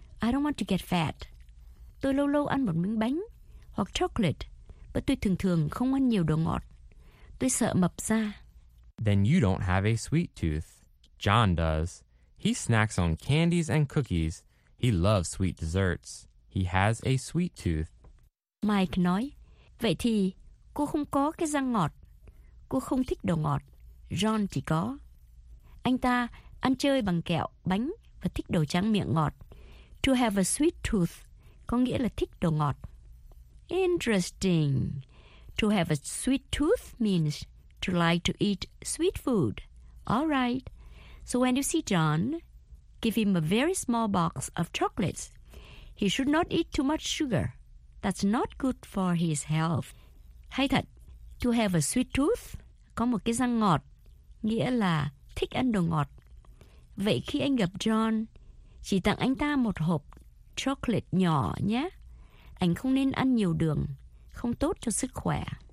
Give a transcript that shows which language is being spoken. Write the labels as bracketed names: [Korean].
[English] I don't want to get fat. [Vietnamese] Tôi lâu lâu ăn một miếng bánh hoặc chocolate, but tôi thường thường không ăn nhiều đồ ngọt. Tôi sợ mập ra. [English] Then you don't have a sweet tooth. John does. He snacks on candies and cookies. He loves sweet desserts. He has a sweet tooth. [Vietnamese] Mike nói, Vậy thì, cô không có cái răng ngọt. Cô không thích đồ ngọt. John chỉ có. Anh ta ăn chơi bằng kẹo, bánh và thích đồ tráng miệng ngọt. To have a sweet tooth có nghĩa là thích đồ ngọt. [English] Interesting. To have a sweet tooth means to like to eat sweet food. All right. So when you see John, give him a very small box of chocolates. He should not eat too much sugar. That's not good for his health. [Vietnamese] Hay thật, to have a sweet tooth, có một cái răng ngọt, nghĩa là thích ăn đồ ngọt. Vậy khi anh gặp John, chỉ tặng anh ta một hộp chocolate nhỏ nhé. Anh không nên ăn nhiều đường, không tốt cho sức khỏe.